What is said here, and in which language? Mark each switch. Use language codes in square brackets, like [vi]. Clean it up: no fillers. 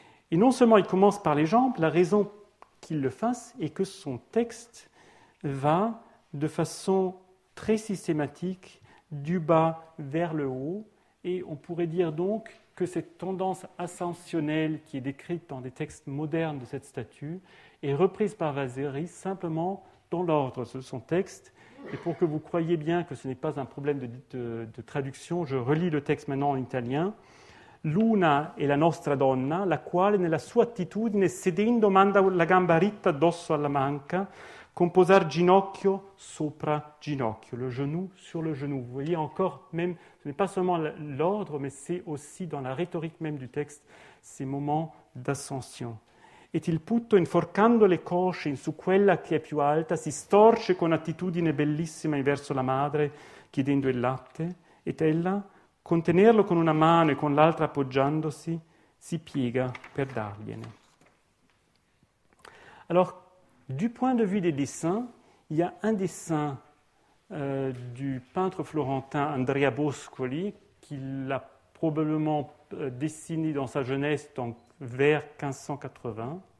[fr] Et non seulement il commence par les jambes, la raison qu'il le fasse est que son texte va de façon très systématique du bas vers le haut, et on pourrait dire donc que cette tendance ascensionnelle qui est décrite dans des textes modernes de cette statue est reprise par Vasari simplement dans l'ordre de son texte. Et pour que vous croyiez bien que ce n'est pas un problème de traduction, je relis le texte maintenant en italien. [it] L'una è la nostra donna, la quale nella sua attitudine, sedendo, manda la gamba ritta addosso alla manca, con posar ginocchio sopra ginocchio, [fr] le genou sur le genou. Vous voyez encore, même, ce n'est pas seulement l'ordre, mais c'est aussi dans la rhétorique même du texte, ces moments d'ascension. [it] Et il putto, inforcando le cosce in su quella che è più alta, si storce con attitudine bellissima verso la madre, chiedendo il latte, ed ella, contenerlo con una mano e con l'altra appoggiandosi, si piega per dargliene. [fr] Alors, du point de vue des dessins, il y a un dessin du peintre florentin Andrea Boscoli, qui l'a probablement dessiné dans sa jeunesse, donc vers 1580.